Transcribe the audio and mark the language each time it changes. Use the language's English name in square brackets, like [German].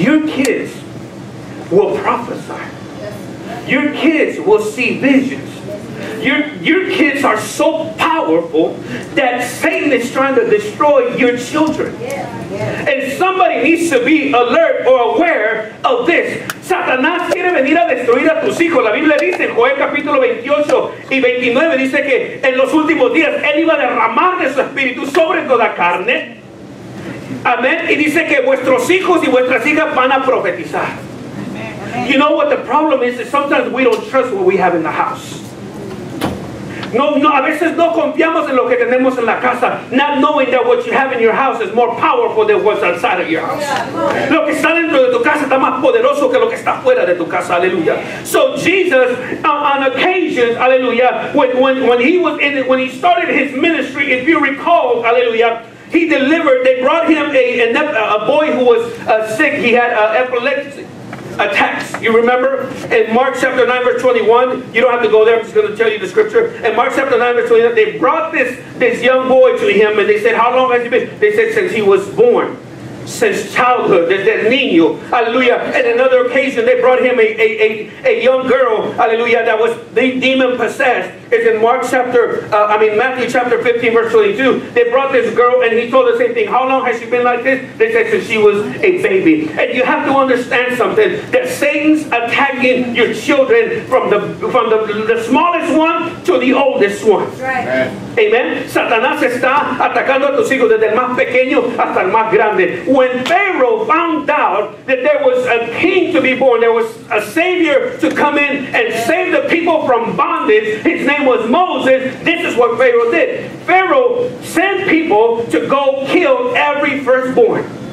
[English] Your kids will prophesy. Your kids will see visions. Your kids are so powerful that Satan is trying to destroy your children. And somebody needs to be alert or aware of this. [Spanish] Satanás quiere venir a destruir a tus hijos. La Biblia dice en Joel capítulo 28 y 29, dice que en los últimos días él iba a derramar de su espíritu sobre toda carne. Amén. Y dice que vuestros hijos y vuestras hijas van a profetizar. [English] You know what the problem is? That sometimes we don't trust what we have in the house. [Spanish] No, a veces no confiamos en lo que tenemos en la casa, [English] not knowing that what you have in your house is more powerful than what's outside of your house. [Spanish] Lo que está dentro de tu casa está más poderoso que lo que está fuera de tu casa, aleluya. [English] So Jesus, on occasions, aleluya, when he started his ministry, if you recall, aleluya, he delivered, they brought him a boy who was sick, he had epilepsy. Attacks. You remember in Mark chapter 9 verse 21, you don't have to go there, I'm just going to tell you the scripture. In Mark chapter 9 verse 21, they brought this young boy to him and they said, how long has he been? They said, since he was born. Since childhood, [Spanish] desde niño, [English] hallelujah. And another occasion, they brought him a young girl, hallelujah, that was demon possessed. It's in Matthew chapter 15, verse 22. They brought this girl, and he told the same thing. How long has she been like this? They said, since she was a baby. And you have to understand something, that Satan's attacking your children from the smallest one to the oldest one. Right. Amen. [Spanish] Satanás está atacando a tus hijos desde el más pequeño hasta el más grande. [English] When Pharaoh found out that there was a king to be born, there was a savior to come in and save the people from bondage, his name was Moses, this is what Pharaoh did. Pharaoh sent people to go kill every firstborn.